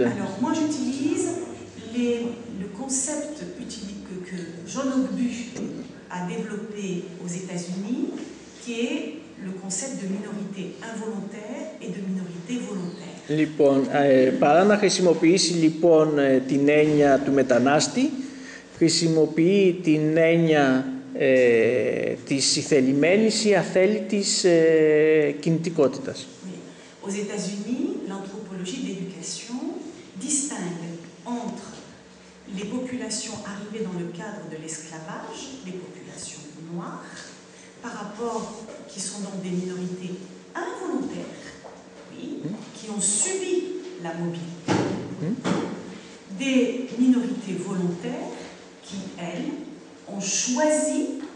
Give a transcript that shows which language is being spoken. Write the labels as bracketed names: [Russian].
[French] Alors, moi j'utilise le concept que John Ogbue a développé aux États-Unis, qui est le concept de minorité involontaire et de minorité volontaire. [Greek] Λοιπόν, παρά να χρησιμοποιήσει λοιπόν την έννοια του μετανάστη, χρησιμοποιεί την έννοια της ηθελημένης ή αθέλητης κινητικότητας. [French] Aux États-Unis, l'anthropologie de l'éducation distingue entre les populations arrivées dans le cadre de l'esclavage, les populations noires, par rapport qui sont donc des minorités involontaires, oui, qui ont subi la mobilité, des minorités volontaires qui, elles, ont choisi